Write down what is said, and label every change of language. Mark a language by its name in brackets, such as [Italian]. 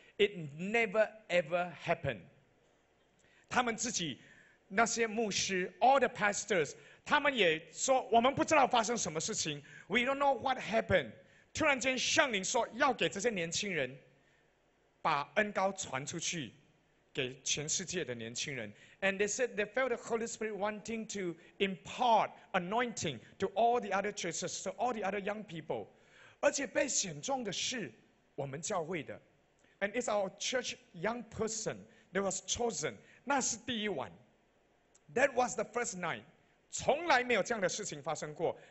[English] It never ever happened. [Chinese] 他们自己那些牧师 [English] ，all the pastors. [Chinese] 他们也说我们不知道发生什么事情 ， [English] We don't know what happened。 [Chinese] 突然间，圣灵说要给这些年轻人把恩膏传出去给全世界的年轻人。 [English] And they said they felt the Holy Spirit wanting to impart anointing to all the other churches, to all the other young people. [Chinese] 而且被选中的是我们教会的。 [English] And it's our church young person that was chosen. [Chinese] 那是第一晚。 [English] That was the first night. [Chinese] 从来没有这样的事情发生过。